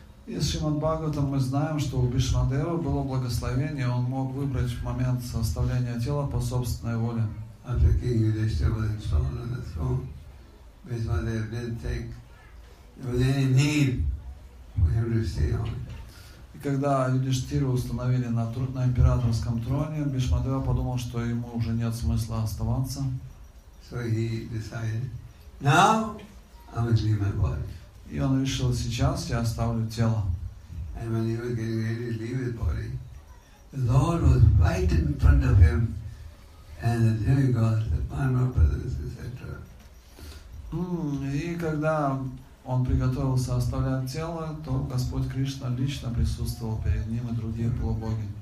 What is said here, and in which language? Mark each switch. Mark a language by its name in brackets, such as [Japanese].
[Russian] Из Шримад-Бхагаватам мы знаем, что у Бишмадева было благословение, он мог выбрать момент оставления тела по собственной воле. [English] After King Yudhishthira was installed on the throne, Bishmadev didn't think there was any need for him to stay on. [Russian] И когда Юдиштиру установили на императорском троне, Бишмадева подумал, что ему уже нет смысла оставаться. [English] So he decided, now I'm going to leave my body. [Russian] И он решил, сейчас я оставлю тело. [English] And when he was getting ready to leave his body, the Lord was right in front of him, and the demigods, the Panava brothers, etc. [Russian] И когда он приготовился оставлять тело, то Господь Кришна лично присутствовал перед ним и другие полубоги.